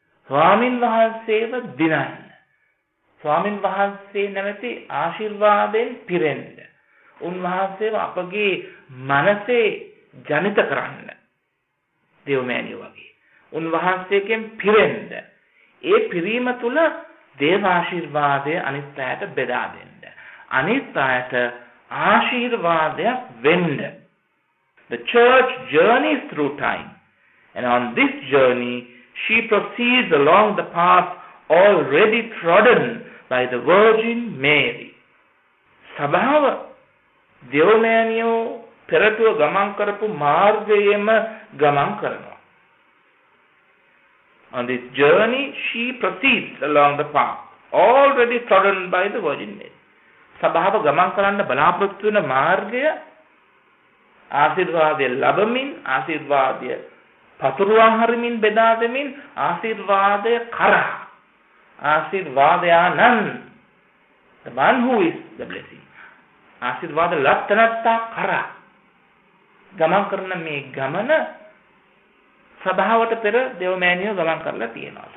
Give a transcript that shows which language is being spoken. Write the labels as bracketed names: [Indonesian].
[Sinhala] ස්වාමින් වහන්සේව දිනන්න, ස්වාමින් වහන්සේ නැමැති ආශිර්වාදයෙන් පිරෙන්න, උන්වහන්සේව අපගේ මනසේ ජනිත කරන්න දේවමෑණියෝ වගේ, උන්වහන්සේකෙන් පිරෙන්න, ඒ පිරීම තුළ දේව ආශිර්වාදය අනිත් අයට බෙදා දෙන්න, අනිත් අයට ආශිර්වාදයක් වෙන්න. [English] The church journeys through time, and on this journey, she proceeds along the path already trodden by the Virgin Mary. [Sinhala] සභාව දෙවමෑණියෝ පෙරටුව ගමන් කරපු මාර්ගයේම ගමන් කරනවා. [English] On this journey, she proceeds along the path already trodden by the Virgin Mary. [Sinhala] සභාව ගමන් කරන්න බලාපොරොත්තු වෙන මාර්ගය ආශිර්වාදය ලැබමින්, ආශිර්වාදය පතුරුවා හරිමින් බෙදා දෙමින්, ආශිර්වාදය කරා, ආශිර්වාදයානන් [English] the man who is the blessing, [Sinhala] ආශිර්වාද ලත්තනත්තා කරා ගමන් කරන මේ ගමන සභාවට පෙර දෙවමෑණියෝ ගමන් කරලා තියෙනවා.